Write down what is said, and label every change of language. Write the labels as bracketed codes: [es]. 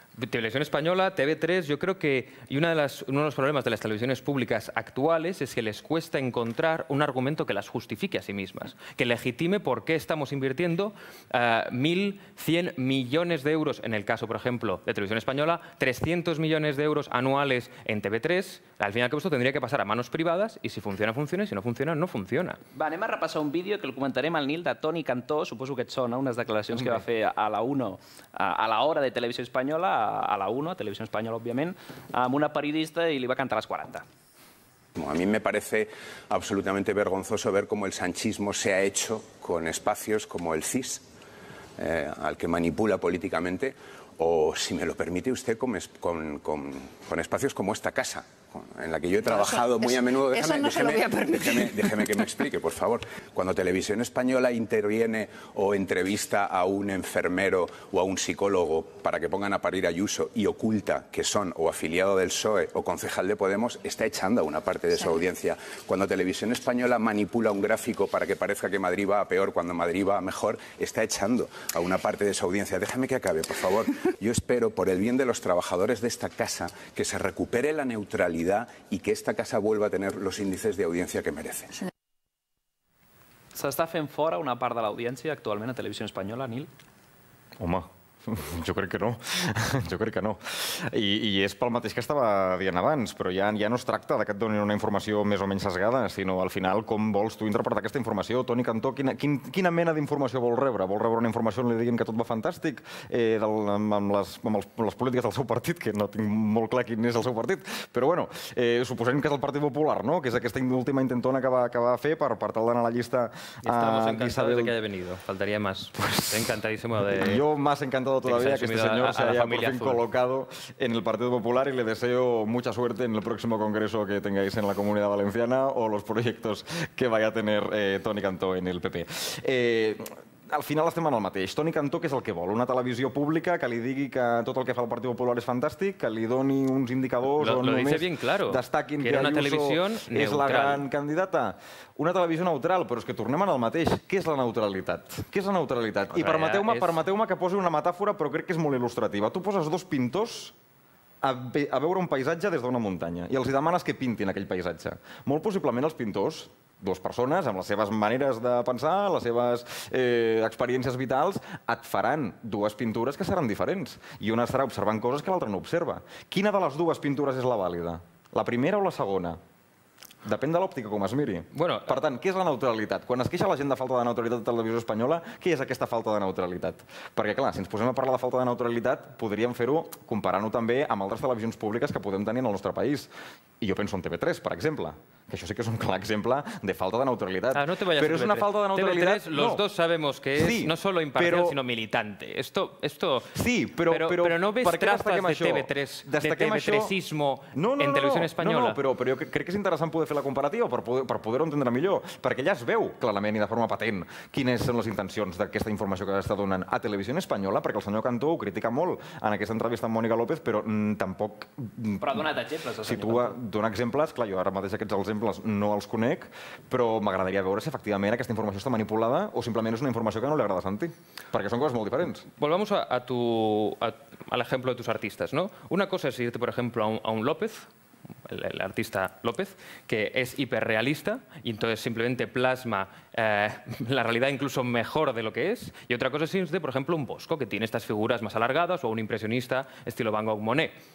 [es] Televisión Española, TV3, yo creo que uno de los problemas de las televisiones públicas actuales es que les cuesta encontrar un argumento que las justifique a sí mismas, que legitime por qué estamos invirtiendo 1.100 millones de euros, en el caso, por ejemplo, de Televisión Española, 300 millones de euros anuales en TV3. Al fin y al cabo, esto tendría que pasar a manos privadas y si funciona, funciona, y si no funciona, no funciona. [ca] Va, anem a repassar un vídeo que el comentaré mal Nil de Toni Cantó, suposo que et sona, unes declaracions que va fer a la 1, a la hora de Televisió Espanyola, a la 1, a Televisió Espanyola, òbviament, amb una periodista i li va cantar a les 40. [es] A mí me parece absolutamente vergonzoso ver cómo el sanchismo se ha hecho con espacios como el CIS, al que manipula políticamente, o, si me lo permite usted, con espacios como esta casa, en la que yo he trabajado eso, muy eso, a menudo. Déjame, eso no déjeme, se lo voy a permitir. Déjeme que me explique, por favor. Cuando Televisión Española interviene o entrevista a un enfermero o a un psicólogo para que pongan a parir a Ayuso y oculta que son o afiliado del PSOE o concejal de Podemos, está echando a una parte de su audiencia. Cuando Televisión Española manipula un gráfico para que parezca que Madrid va a peor cuando Madrid va a mejor, está echando a una parte de su audiencia. Déjame que acabe, por favor. Yo espero, por el bien de los trabajadores de esta casa, que se recupere la neutralidad y que esta casa vuelva a tener los índices de audiencia que merece. [ca] ¿S'està fent fora una part de l'audiència actualment a Televisió Espanyola, Nil? Home, jo crec que no. Jo crec que no. I és pel mateix que estava dient abans, però ja no es tracta que et donin una informació més o menys sesgada, sinó al final com vols tu interpretar aquesta informació. Toni Cantó, quina mena d'informació vol rebre? Vol rebre una informació on li diguin que tot va fantàstic amb les polítiques del seu partit, que no tinc molt clar quin és el seu partit, però bueno, suposem que és el Partit Popular, no? Que és aquesta última intentona que va fer per tal d'anar a la llista. [es] Estamos encantados de que haya venido. Faltaría más. Encantadísimo de... Yo más encantado todavía que este señor se haya por fin colocado en el Partido Popular y le deseo mucha suerte en el próximo congreso que tengáis en la Comunidad Valenciana o los proyectos que vaya a tener Toni Cantó en el PP. [ca] Al final estem en el mateix. Toni Cantó, què és el que vol? Una televisió pública que li digui que tot el que fa el Partit Popular és fantàstic, que li doni uns indicadors o només [es] dice bien claro, [ca] destaquin que Ayuso és la gran candidata? Una televisió neutral, però és que tornem en el mateix. Què és la neutralitat? Què és la neutralitat? I permeteu-me que posi una metàfora, però crec que és molt il·lustrativa. Tu poses dos pintors a veure un paisatge des d'una muntanya i els demanes que pintin aquell paisatge. Molt possiblement els pintors, dues persones amb les seves maneres de pensar, les seves experiències vitals, et faran dues pintures que seran diferents. I una estarà observant coses que l'altra no observa. Quina de les dues pintures és la vàlida? La primera o la segona? Depèn de l'òptica com es miri. Bueno, per tant, què és la neutralitat? Quan es queixa la gent de falta de neutralitat de Televisió Espanyola, què és aquesta falta de neutralitat? Perquè, clar, si ens posem a parlar de falta de neutralitat, podríem fer-ho comparant-ho també amb altres televisions públiques que podem tenir en el nostre país. I jo penso en TV3, per exemple, que això sí que és un clar exemple de falta de neutralitat. [es] Ah, no te vayas. [ca] Però és una falta de neutralitat... [es] TV3, los dos sabemos que es no solo imparcial, [ca] sinó [es] militante. Esto... [ca] Sí, però... Però no ves traces de TV3, de TV3ismo en Televisió Espanyola. No, però jo crec que és interessant poder fer la comparativa per poder-ho entendre millor, perquè ja es veu clarament i de forma patent quines són les intencions d'aquesta informació que està donant a Televisió Espanyola, perquè el senyor Cantó ho critica molt en aquesta entrevista amb Mònica López, però tampoc... Però ha donat exemples, el senyor Cantó. donar exemples. Clar, jo ara mateix aquests exemples no els conec, però m'agradaria veure si efectivament aquesta informació està manipulada o simplement és una informació que no li agrada a Santi, perquè són coses molt diferents. [es] Volvamos a [ca] l'exemple de [es] tus artistes, no? Una cosa és irte, per exemple, a un López, el artista López, que es hiperrealista y entonces simplemente plasma la realidad incluso mejor de lo que es. Y otra cosa es irte, por ejemplo, un Bosco, que tiene estas figuras más alargadas, o un impresionista estilo Van Gogh, Monet.